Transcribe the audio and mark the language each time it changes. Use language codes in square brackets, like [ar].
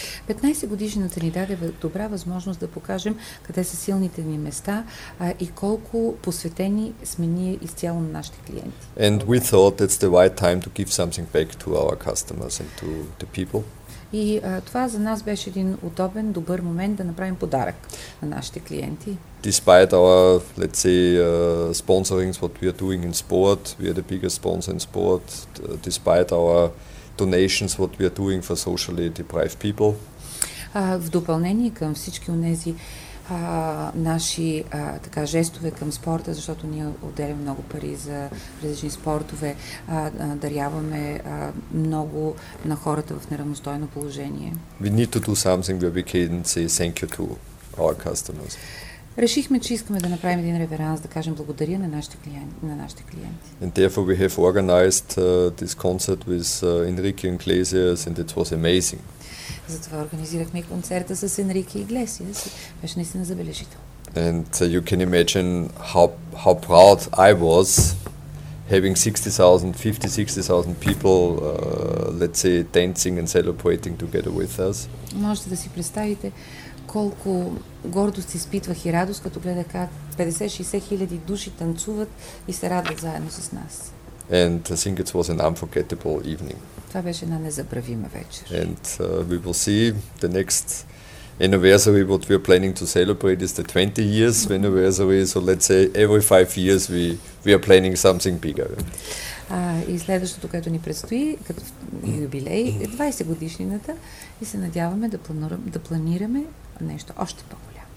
[bg] 15 годишната ни даде добра възможност да покажем къде са силните ни места и колко посветени сме ние изцяло на нашите клиенти. [en] And we thought it's the right time to give something back to our customers and to the people. [bg] И това за нас беше един удобен, добър момент да направим подарък на нашите клиенти. [en] Despite our, let's say, sponsoring, what we are doing in sport, we are the biggest sponsor in sport, despite our donations, what we are doing for socially deprived people. [bg] В допълнение към всички онези наши така жестове към спорта, защото ние отделяме много пари за различни спортове, даряваме много на хората в неравностойно положение. [en] We need to do something where we can say thank you to our customers. [bg] Решихме, че искаме да направим един реверанс, да кажем благодаря на нашите клиенти, [en] And therefore we have organized this concert with Enrique Iglesias and it was amazing. [bg] Затова организирахме концерта с Енрике Иглесиас. Беше наистина забележително. [en] And you can imagine how proud I was having 60,000 people let's say dancing and celebrating together with us. [bg] Можете да си представите колко гордост изпитвах и радост, като гледах как 50-60 хиляди души танцуват и се радват заедно с нас. [en] And I think it was an unforgettable evening. [bg] Това беше една незабравима вечер. [en] And we will see the next anniversary, what we are planning to celebrate is the 20 years anniversary, so let's say every 5 years we are planning something bigger. [bg] И следващото, което ни предстои, като юбилей, е 20 годишнината и се надяваме да планираме нещо още по-голямо.